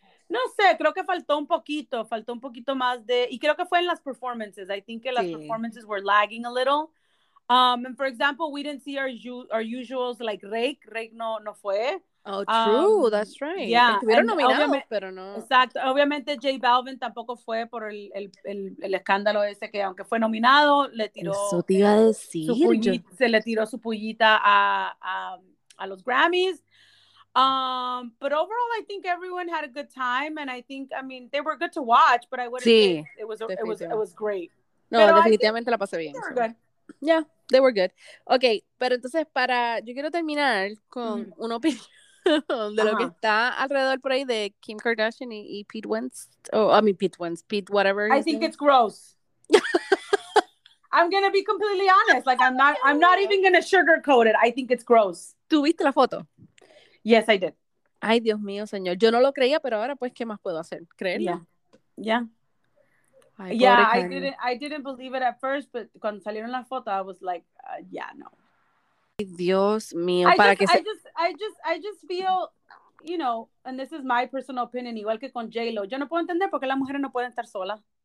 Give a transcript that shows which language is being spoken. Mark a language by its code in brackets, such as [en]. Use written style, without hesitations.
[es] No sé, creo que faltó un poquito más de, y creo que fue en las performances. [en] I think las performances were lagging a little. And for example, we didn't see our usuals like Rake. [es] Rake no fue. [en] Oh, true, that's right. Yeah. [es] Estuvieron nominados, pero no. Exacto, obviamente J Balvin tampoco fue por el escándalo ese que aunque fue nominado, le tiró. Eso te iba a decir. Se le tiró su pullita a los Grammys. [en] But overall, I think everyone had a good time, and I think, I mean, they were good to watch, but I wouldn't say it was great. [es] No, pero definitivamente la pasé bien. [en] They were good. Yeah, they were good. [es] Okay, pero entonces yo quiero terminar con una opinión de lo que está alrededor por ahí de Kim Kardashian y Pete Wentz. [en] Pete whatever. I think it's gross. I'm going to be completely honest. Like, I'm not even going to sugarcoat it. I think it's gross. [es] ¿Tú viste la foto? [en] Yes, I did. [es] Ay, Dios mío, señor. Yo no lo creía, pero ahora, pues, ¿qué más puedo hacer? ¿Creerlo? [en] I didn't believe it at first, but [es] cuando salieron las fotos, [en] I was like, no. [es] Ay, Dios mío. [en] I just feel, you know, and this is my personal opinion, [es] igual que con J-Lo, yo no puedo entender por qué las mujeres no pueden estar solas.